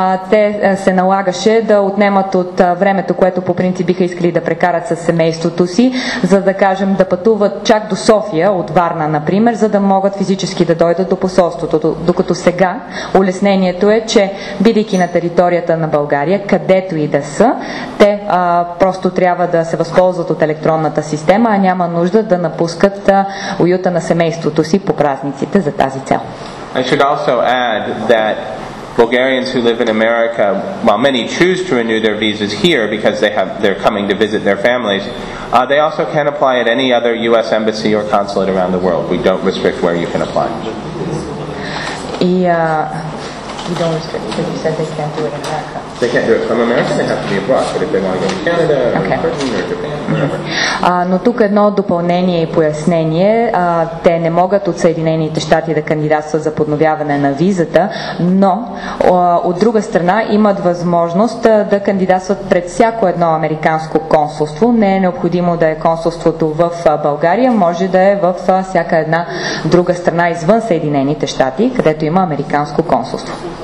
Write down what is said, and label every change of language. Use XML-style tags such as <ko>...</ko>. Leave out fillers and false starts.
<bg>те се налагаше да отнемат от времето, което по принцип биха искали да прекарат със семейството си, за да кажем да пътуват чак до София, от Варна, например, за да могат физически да дойдат до посолството. Докато сега улеснението е, че бидейки на територията на България, където и да са, те просто трябва да се възползват от електронната система, а няма нужда да напускат уюта на семейството си по празниците за тази цел.</bg> <en>I should also add that Bulgarians who live in America, while many choose to renew their visas here because they're coming to visit their families, they also can apply at any other U.S. embassy or consulate around the world. We don't restrict where you can apply. You don't restrict because you said they can't do it in America. They can't do it from America, they have to be abroad. But if they want to go to Canada or okay. Britain or Japan,</en> <bg>Но тук едно допълнение и пояснение. Те не могат от Съединените щати да кандидатстват за подновяване на визата, но от друга страна имат възможност да кандидатстват пред всяко едно американско консулство. Не е необходимо да е консулството в България, може да е в всяка една друга страна извън Съединените щати, където има американско консулство.</bg>